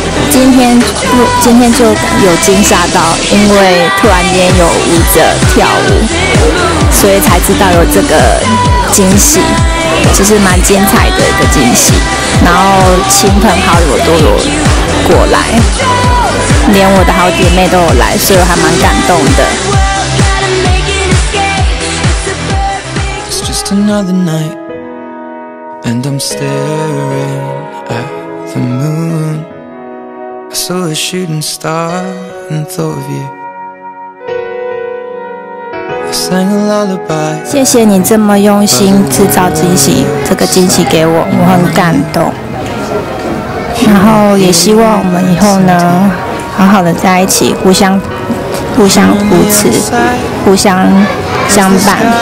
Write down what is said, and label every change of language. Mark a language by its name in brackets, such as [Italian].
[Chinese] 今天就有惊吓到，因为突然间有舞者跳舞，所以才知道有这个惊喜，就是蛮精彩的一个惊喜。然后亲朋好友都有过来，连我的好姐妹都有来，所以我还蛮感动的。 [English] It's just another night, and I'm staring at the moon. I saw a shooting star and thought of you. I sang a lullaby. [Chinese] 谢谢你这么用心制造惊喜，这个惊喜给我，我很感动。然后也希望我们以后呢，好好的在一起，互相扶持，互相相伴。